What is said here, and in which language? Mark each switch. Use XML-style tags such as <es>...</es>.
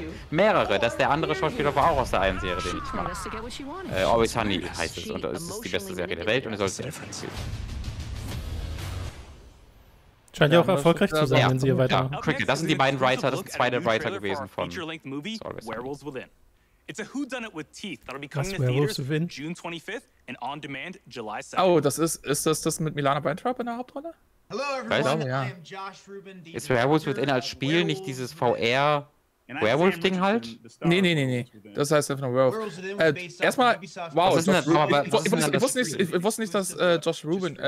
<de>Mehrere. Das ist der andere Schauspieler, war auch aus der einen Serie, den ich mag. Always Honey heißt es. Und es ist die beste Serie der Welt. Und es soll sehr gut sein. Scheint ja auch erfolgreich zu sein, wenn sie hier weitermachen. Ja, das sind die beiden Writer. Das sind zwei der Writer gewesen von Werewolves Within.</de> <en>It's a whodunit with teeth that'll be coming to theaters June 25th and on demand July 7th.</en> <de>Oh, ist das mit Milana Bentrop in der Hauptrolle?</de> <en>Hello everyone,</en> <de>ja. Ist Werewolves Within als Spiel nicht dieses VR Werewolf Ding halt? Nee. Das heißt einfach nur Werewolf. Erstmal, wow, ich wusste nicht, dass Josh Rubin.</de>